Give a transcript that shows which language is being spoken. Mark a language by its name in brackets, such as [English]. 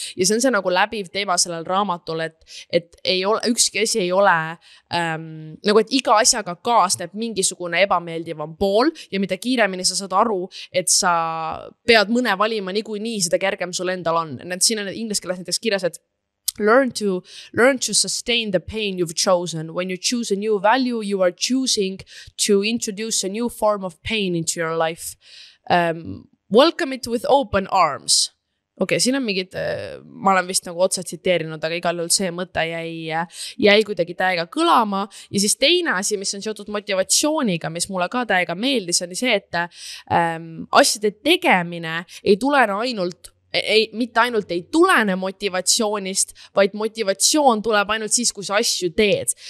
[Estonian] Ja see on see nagu läbiv teema sellel raamatul, et ei ole, ükski asi ei ole, nagu et iga asjaga kaasneb mingisugune ebameeldivam pool ja mida kiiremini sa saad aru, et sa pead mõne valima nii kui nii seda kergem sul endal on. Need siin on need ingliskeeles näiteks kirjas, et [English] Learn to sustain the pain you've chosen. When you choose a new value, you are choosing to introduce a new form of pain into your life. Welcome it with open arms. [Estonian] Okay, siin on mingid, ma olen vist nagu otsa tsiteerinud, aga igal juhul see mõte jäi kuidagi täiega kõlama. Ja siis teine asi, mis on seotud motivatsiooniga, mis mulle ka täiega meeldis, on see, et asjade tegemine ei tule ainult ei tulene motivatsioonist, vaid motivatsioon tuleb ainult siis, kui sa asju teed.